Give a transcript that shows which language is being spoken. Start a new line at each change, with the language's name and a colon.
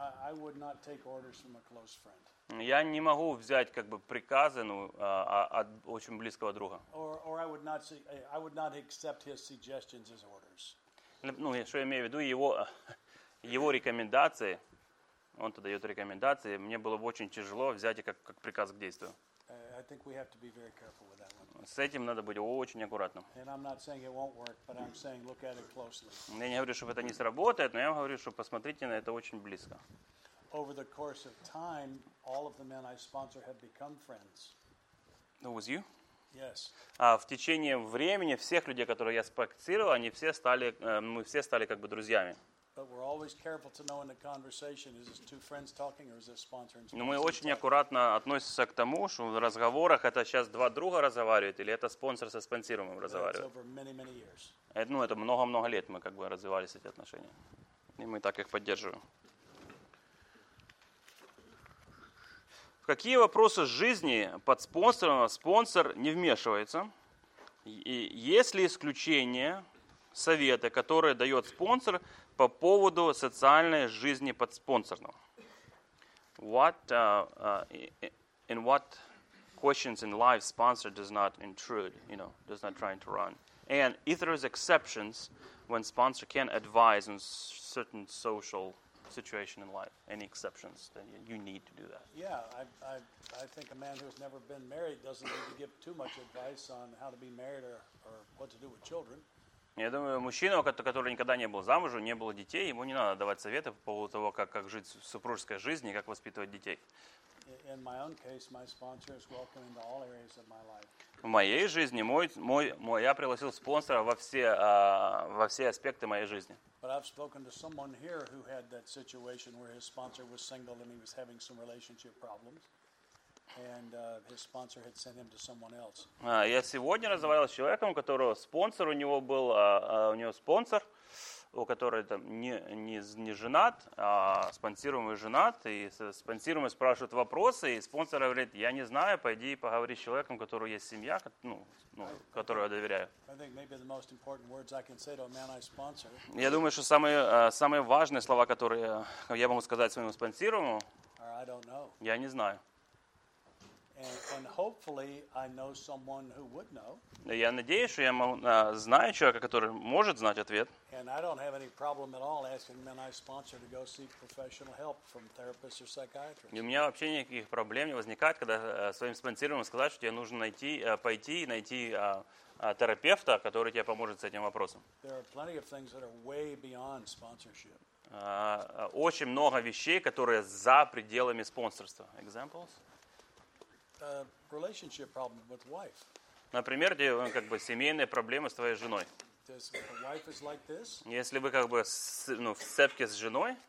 English: I would not take orders from a close friend.
Russian: Я не могу взять как бы приказы, ну, от очень близкого друга.
English: Or I would not see, I would not accept his suggestions as orders.
Russian: Ну, что я имею в виду, его рекомендации, он тогда дает рекомендации, мне было бы очень тяжело взять их как приказ к действию.
English: I think we have to be very careful with that one.
Russian: С этим надо быть очень аккуратным.
English: And I'm not saying it won't work, but I'm saying look at it closely.
Russian: Я не говорю, что это не сработает, но я вам говорю, что посмотрите на это очень близко.
English: Over the course of time, all of the men I sponsor have become friends. That was you? Yes.
Russian: В течение времени всех людей, которые я спонсировал, они все стали, мы все стали как бы друзьями.
English: But we're always careful to know in the conversation, is this two friends talking or is this sponsor and
Russian: sponsor? Мы очень аккуратно относимся к тому, что в разговорах это сейчас два друга разговаривают или это спонсор со спонсируемым разговаривает.
English: Over many, many years.
Russian: Ну, это много-много лет мы как бы развивались эти отношения. И мы так их поддерживаем. В какие вопросы жизни под спонсором спонсор не вмешивается? И есть ли исключения, советы, которые дает спонсор по поводу социальной жизни под спонсорного?
English: In what questions in life sponsor does not intrude, you know, does not try to run? And if there is exceptions when sponsor can advise on certain social situation in life, any exceptions that you need to do that? Yeah, I think a man who's never been married doesn't need to give too much advice on how to be married or what to do with children.
Russian: Я думаю, мужчина, который никогда не был замужем, не было детей, ему не надо давать советы по поводу того, как жить в супружеской жизни, как воспитывать детей.
English: In my own case, my sponsor is welcome into all areas of my life.
Russian: В моей жизни мой я пригласил спонсора во все аспекты моей жизни.
English: But I've spoken to someone here who had that situation where his sponsor was single and he was having some relationship problems. And his sponsor had sent him to someone else.
Russian: Я сегодня разговаривал с человеком, у которого спонсор у него был, у него спонсор, у которого там не женат, а спонсируемый женат, и спонсируемый спрашивает вопросы, и спонсор говорит: я не знаю, пойди и поговори с человеком, у которого есть семья, которую я доверяю.
English: I think maybe the most important words I can say to a man I sponsor.
Russian: Я думаю, что самые важные слова, которые я могу сказать своему спонсируемому.
English: I don't know.
Russian: Я не знаю.
English: And hopefully I know someone who would know.
Russian: Я надеюсь, что я знаю человека, который может знать ответ.
English: And I don't have any problem at all asking men I sponsor to go seek professional help from therapists or psychiatrists.
Russian: И у меня вообще никаких проблем не возникает, когда своим спонсируемым сказать, что тебе нужно пойти и найти терапевта, который тебе поможет с этим вопросом.
English: There are plenty of things that are way beyond sponsorship.
Russian: Очень много вещей, которые за пределами спонсорства.
English: Examples? Relationship problem with wife.
Russian: Например, где как бы семейные проблемы с твоей женой.
English: Does the wife is like this?
Russian: Если вы как бы в сцепке с женой,